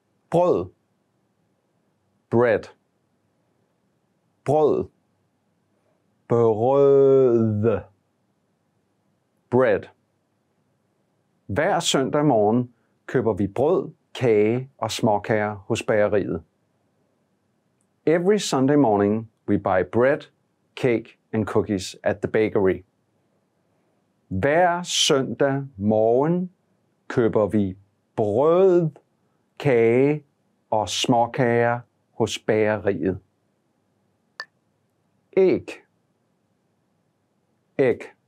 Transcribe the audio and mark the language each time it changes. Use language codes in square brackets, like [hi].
[da] Brød. Bread. Brød. Brød. Bread. Hver søndag morgen køber vi brød, kage og småkager hos bageriet. [en] Every Sunday morning we buy bread, cake and cookies at the bakery. [da] Hver søndag morgen køber vi brød, kage og småkager hos bageriet. Æg. Æg.